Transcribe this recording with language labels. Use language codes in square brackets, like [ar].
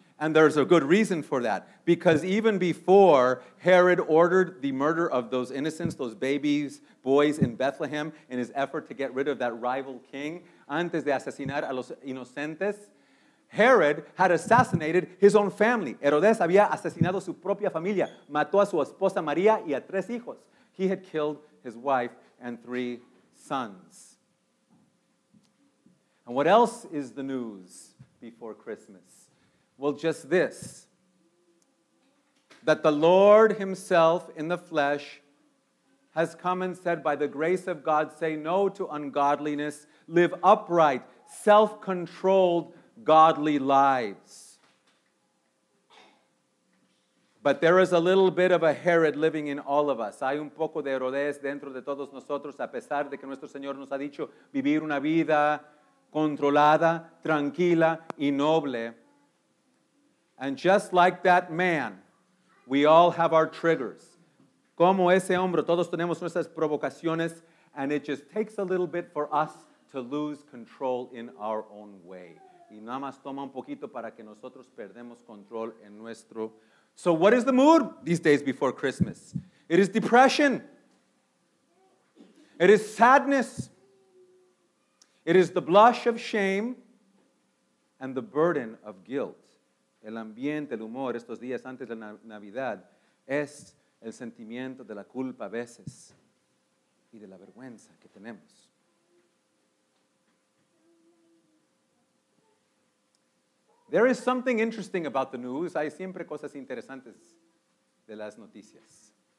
[en] And there's a good reason for that. Because even before Herod ordered the murder of those innocents, those babies, boys in Bethlehem, in his effort to get rid of that rival king, [es] antes de asesinar a los inocentes, [en] Herod had assassinated his own family. [es] Herodes había asesinado su propia familia. Mató a su esposa María y a tres hijos. [en] He had killed his wife and three sons. And what else is the news before Christmas? Well, just this. That the Lord himself in the flesh has come and said, by the grace of God, say no to ungodliness. Live upright, self-controlled, godly lives. But there is a little bit of a Herod living in all of us. [es] Hay un poco de Herodes dentro de todos nosotros, a pesar de que nuestro Señor nos ha dicho vivir una vida controlada, tranquila, y noble. [en] And just like that man, we all have our triggers. [es] Como ese hombre, todos tenemos nuestras provocaciones, [en] and it just takes a little bit for us to lose control in our own way. [es] Y nada más toma un poquito para que nosotros perdemos control en nuestro. [en] So what is the mood these days before Christmas? It is depression. It is sadness. It is the blush of shame and the burden of guilt. [es] El ambiente, el humor, estos días antes de Navidad, es el sentimiento de la culpa a veces y de la vergüenza que tenemos. [en] There is something interesting about the news. [es] Hay siempre cosas interesantes de las noticias.